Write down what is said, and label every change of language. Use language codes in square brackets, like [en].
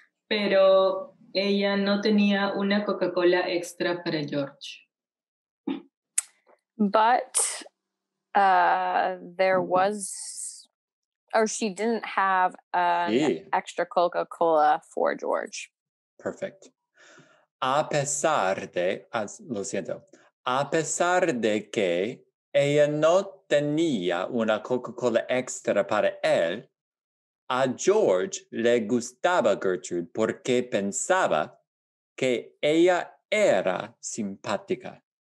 [es] Pero ella no tenía una Coca-Cola extra para George. [en] But there was, or she didn't have an extra Coca-Cola for George. Perfect. [es] A pesar de, lo siento, a pesar de que ella no tenía una Coca-Cola extra para él, a George le gustaba Gertrude porque pensaba que ella era simpática.